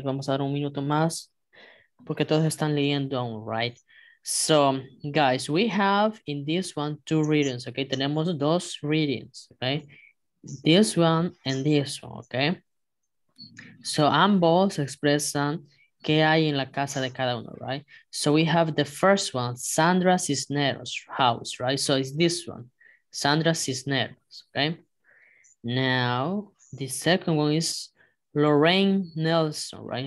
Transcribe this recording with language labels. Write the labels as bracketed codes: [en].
[es] Vamos a dar un minuto más porque todos están leyendo, right? [en] So, guys, we have in this one two readings, okay? [es] Tenemos dos readings, [en] okay? This one and this one, okay? [es] So, ambos expresan qué hay en la casa de cada uno, right? [en] So, we have the first one, Sandra Cisneros' house, right? So, it's this one, Sandra Cisneros, okay? Now, the second one is Lorraine Nelson, right?